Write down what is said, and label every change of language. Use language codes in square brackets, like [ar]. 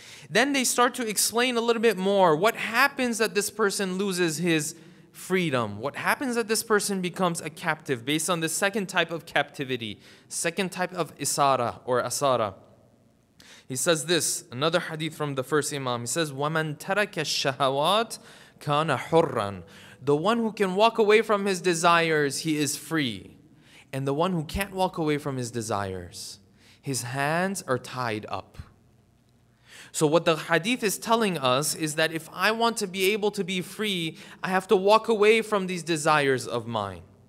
[en] Then they start to explain a little bit more. What happens that this person loses his freedom? What happens that this person becomes a captive based on the second type of captivity? Second type of isara or asara. He says this, another hadith from the first imam. He says, [ar] وَمَنْ تَرَكَ الشَّهَوَاتِ كان حرًا. [en] The one who can walk away from his desires, he is free. And the one who can't walk away from his desires, his hands are tied up. So what the hadith is telling us is that if I want to be able to be free, I have to walk away from these desires of mine.